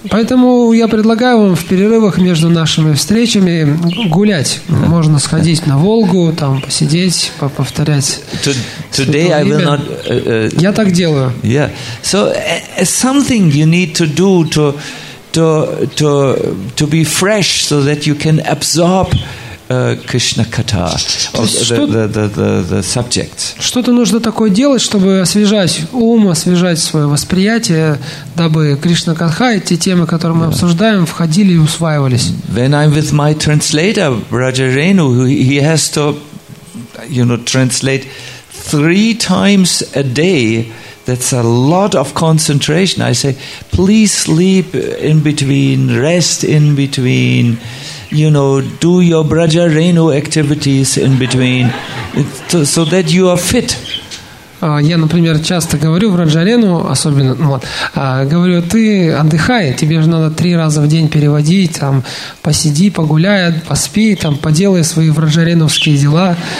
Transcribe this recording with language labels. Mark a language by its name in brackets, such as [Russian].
[Russian] Поэтому я предлагаю вам в перерывах между нашими встречами гулять. Можно сходить на Волгу, там посидеть, повторять. [English] Today I will not. [Russian] Я так делаю. [English] Yeah. So something you need to do to be fresh so that you can absorb Krishna Katha of the subjects. [Russian] Что-то нужно такое делать, чтобы освежать ум, освежать свое восприятие, дабы Кришна Катха и те темы, которые мы обсуждаем, входили и усваивались. [English] When I'm with my translator, Raja Renu, he has to, you know, translate 3 times a day. That's a lot of concentration. I say, please sleep in between, rest in between, you know, do your Braja Renu activities in between, so that you are fit. [Russian] Я, например, часто говорю в Раджарену, особенно, говорю, ты отдыхай, тебе же надо 3 раза в день переводить, там, посиди, погуляй, поспи, там, поделай свои вражареновские дела.